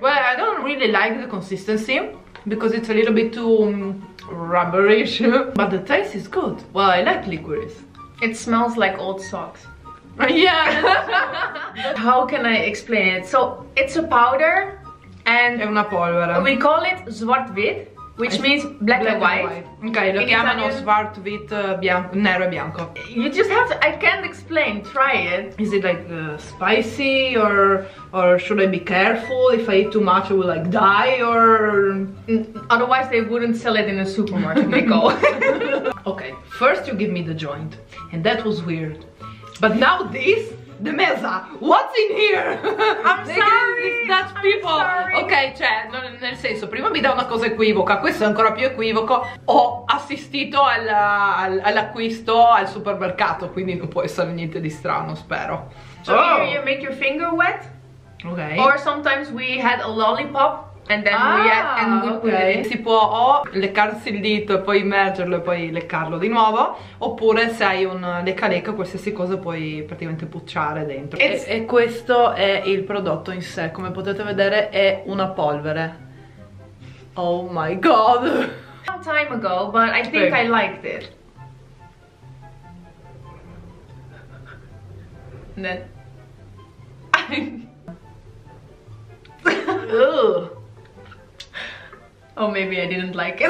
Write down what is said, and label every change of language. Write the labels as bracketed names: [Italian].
[English] Well, I don't really like the consistency because it's a little bit too rubberish, but the taste is good. Well, I like licorice. It smells like old socks. Yeah. How can I explain it? So it's a powder, and [Italian] è una polvere. [English] We call it zwart-wit, which means black and white. [Italian] Okay, lo chiamano zwart-wit bianco, nero e bianco. [English] You just have to. I can't explain. Try it. Is it like spicy, or should I be careful? If I eat too much, I will like die, or otherwise they wouldn't sell it in a supermarket, Nicole. Okay, first you give me the joint, and that was weird, but now this. The mesa, what's in here? I'm sorry, Dutch people. [Italian] Ok, cioè, nel senso, prima mi dà una cosa equivoca, questo è ancora più equivoco. Ho assistito all'acquisto al supermercato, quindi non può essere niente di strano, spero. [English] So oh. here you make your finger wet. Ok. Or sometimes we had a lollipop and then we put it. [Italian] Si può o leccarsi il dito e poi immergerlo e poi leccarlo di nuovo, oppure se hai un lecca-lecca qualsiasi cosa puoi praticamente pucciare dentro. E questo è il prodotto in sé, come potete vedere è una polvere. [English] Oh my god. Some time ago, but I think I liked it. Oh, maybe I didn't like it.